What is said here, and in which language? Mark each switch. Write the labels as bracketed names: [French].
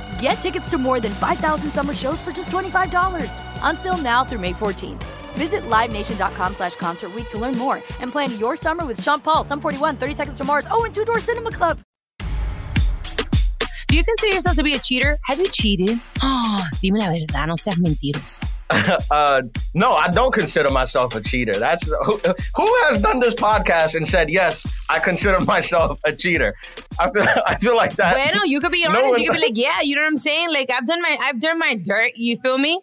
[English] Get tickets to more than 5,000 summer shows for just $25. Until now through May 14th. Visit LiveNation.com/Concert Week to learn more and plan your summer with Sean Paul, Sum 41, 30 Seconds to Mars, oh, and Two Door Cinema Club. Do you consider yourself to be a cheater? Have you cheated? [Spanish] Oh, dime la verdad, no seas mentiroso. [English] No, I don't consider myself a cheater. That's who has done this podcast and said, yes, I consider myself a cheater? I feel like that. Bueno, you could be honest. No one, you could be like, yeah, you know what I'm saying? Like, I've done my dirt, you feel me?